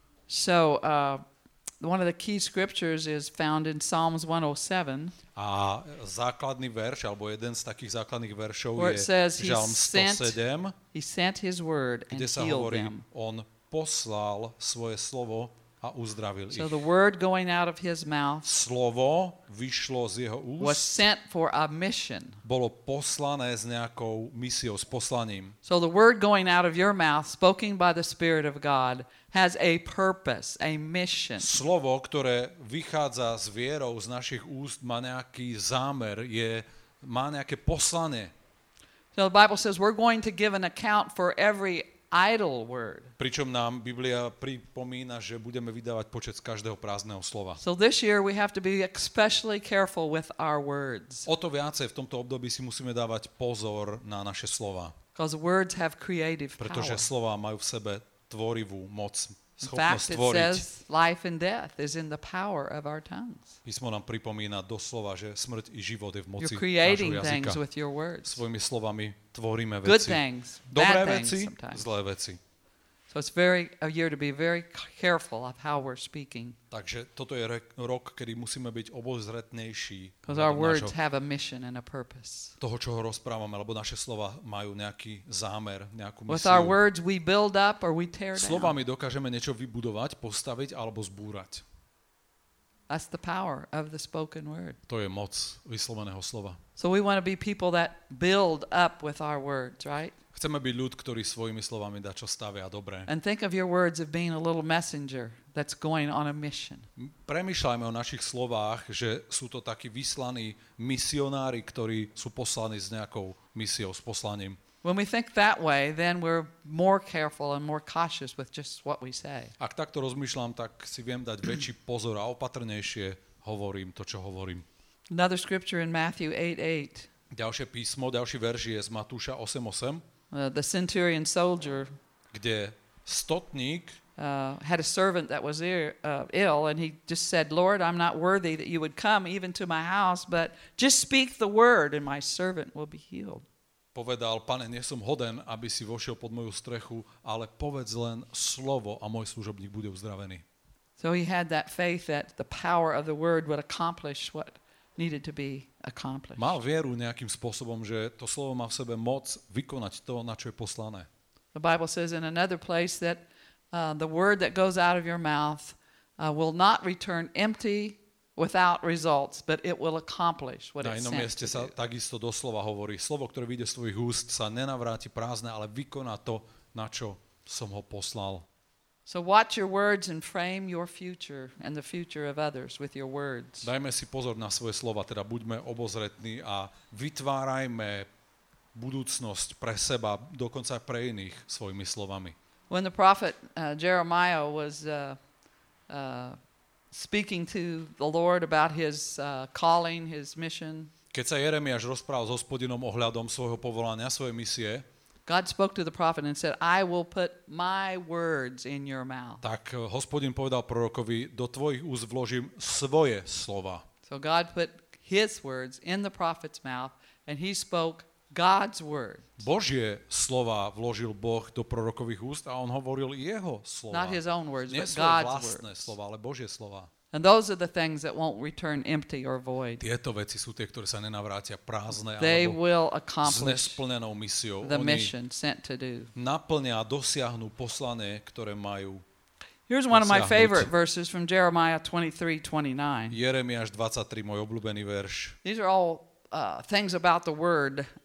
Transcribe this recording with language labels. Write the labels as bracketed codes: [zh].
[en] So one of the key scriptures is found in Psalms 107. [sk] A základný verš alebo jeden z takých základných veršov je Žalm 107. [en] He sent his word and healed them. [sk] Kde sa hovorí, on poslal svoje slovo a uzdravil ich. [en] So the word going out of his mouth. [sk] Slovo vyšlo z jeho úst. [en] Was sent for a mission. [sk] Bolo poslané s nejakou misiou, s poslaním. [en] So the word going out of your mouth, spoken by the Spirit of God, has a purpose, a mission. [sk] Slovo, ktoré vychádza s vierou z našich úst, má nejaký zámer, má nejaké poslanie. [en] So the Bible says we're going to give an account for every idle word. [sk] Pričom nám Biblia pripomína, že budeme vydávať počet z každého prázdneho slova. [en] So this year we have to be especially careful with our words. [sk] O to viacej v tomto období si musíme dávať pozor na naše slova. [en] Because words have creative power. [sk] Pretože slova majú v sebe tvorivú moc, schopnosť tvoriť. [en] In fact, it says life and death is in the power of our tongues. [sk] Písmo nám pripomína doslova, že smrť i život je v moci nášho jazyka. [en] You're creating things with your words. [sk] Svojimi slovami tvoríme veci. [en] Good things, [sk] dobré [en] bad [sk] veci, [en] things [sk] zlé veci. [en] So it's very a year to be very careful of how we're speaking. [sk] Takže toto je rok, kedy musíme byť obozretnejší. [en] Because our words have a mission and a purpose. [sk] Toho, čo rozprávame, alebo naše slova majú nejaký zámer, nejakú misiu. [en] With our words we build up or we tear down. [sk] Slovami dokážeme niečo vybudovať, postaviť alebo zbúrať. [en] That's the power of the spoken word. [sk] To je moc vysloveného slova. [en] So we want to be people that build up with our words, right? [sk] Chceme byť ľud, ktorý svojimi slovami dá čo stavia dobre. [en] And think of your words as being a little messenger that's going on a mission. [sk] Premýšľajme o našich slovách, že sú to takí vyslaní misionári, ktorí sú poslaní s nejakou misiou, s poslaním. [en] When we think that way, then we're more careful and more cautious with just what we say. [sk] Ak takto rozmýšľam, tak si viem dať väčší pozor a opatrnejšie hovorím to, čo hovorím. [en] Another scripture in Matthew 8:8. [sk] Ďalšie písmo, ďalší verš je z Matúša 8:8. [en] The centurion soldier, [sk] kde stotník [en] had a servant that was ill and he just said, Lord, I'm not worthy that you would come even to my house, but just speak the word and my servant will be healed. [sk] Povedal, Pane, nie som hoden, aby si vošiel pod moju strechu, ale povedz len slovo a môj služobník bude uzdravený. [en] So he had that faith that the power of the word would accomplish what needed to be accomplished. [sk] Mal vieru nejakým spôsobom, že to slovo má v sebe moc vykonať to, na čo je poslané. [en] The Bible says in another place that the word that goes out of your mouth will not return empty without results, but it will accomplish what it's sent to do. [sk] Na inom mieste sa takisto doslova hovorí, slovo, ktoré vyjde z tvojich úst, sa nenavráti prázdne, ale vykoná to, na čo som ho poslal. [en] So watch your words and frame your future and the future of others with your words. [sk] Dajme si pozor na svoje slova, teda buďme obozretní a vytvárajme budúcnosť pre seba, dokonca aj pre iných svojimi slovami. [en] When the prophet Jeremiah was speaking to the Lord about his calling, his mission. [sk] Keď sa Jeremiáš rozprával s Hospodinom ohľadom svojho povolania, svojej misie, [en] God spoke to the prophet and said, I will put my words in your mouth. [sk] Tak Hospodin povedal prorokovi, do tvojich úst vložím svoje slova. [en] So God put his words in the prophet's mouth and he spoke God's word. [sk] Božie slova vložil Boh do prorokových úst a on hovoril jeho slova. [en] Not his own words, [sk] nie [en] but God's words. [sk] Vlastné slova, ale Božie slova. [en] And those are the things that won't return empty or void. [sk] Tieto veci sú tie, ktoré sa nenavrátia prázdne alebo s nesplnenou misiou. [en] The mission sent to do. [sk] Naplnia a dosiahnu poslanie, ktoré majú. [en] Here's one of my favorite verses from Jeremiah 23:29. [sk] Jeremiáš 23, môj obľúbený verš. [en] These are all things about the word.